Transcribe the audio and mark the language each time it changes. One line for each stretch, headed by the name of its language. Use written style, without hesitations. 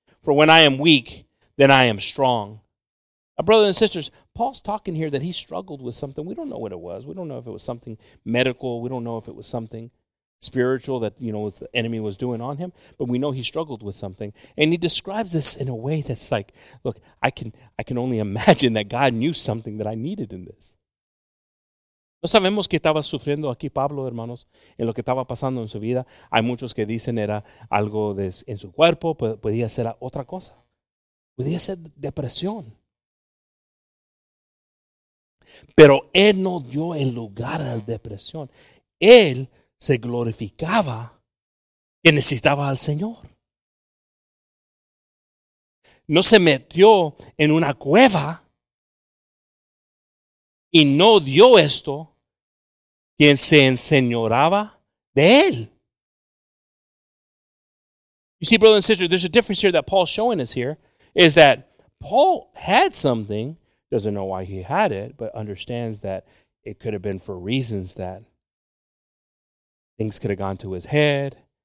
English: For when I am weak, then I am strong. Now, brothers and sisters, Paul's talking here that he struggled with something. We don't know what it was. We don't know if it was something medical. We don't know if it was something spiritual that, what the enemy was doing on him, but we know he struggled with something. And he describes this in a way that's like, look, I can only imagine that God knew something that I needed in this.
Spanish: No sabemos que estaba sufriendo aquí Pablo, hermanos, en lo que estaba pasando en su vida. Hay muchos que dicen era algo en su cuerpo, podía ser otra cosa. Podía ser depresión. Pero él no dio el lugar a la depresión. Él se glorificaba que necesitaba al Señor. No se metió en una cueva y no dio esto quien se enseñoraba de él.
English: You see, brothers and sisters, there's a difference here that Paul's showing us here, is that Paul had something, doesn't know why he had it, but understands that it could have been for reasons that things could have gone to his head.